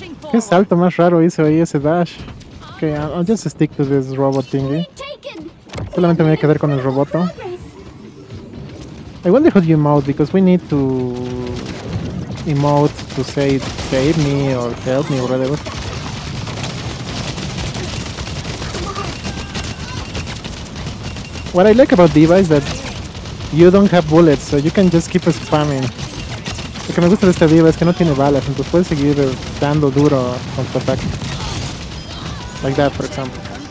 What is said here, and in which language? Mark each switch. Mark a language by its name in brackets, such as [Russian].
[Spanish] ¿Qué salto más raro hizo ahí ese dash? [English] Okay, I'll just stick to this robot thingy. [Spanish] Solamente me voy a quedar con el roboto. [English] I wonder how you emote, because we need to emote to say save me or help me or whatever. What I like about D.Va is that you don't have bullets, so you can just keep spamming. [Spanish] Lo que me gusta de esta diva es que no tiene balas, entonces puedes seguir dando duro con tu ataque. [English] Like that, for example.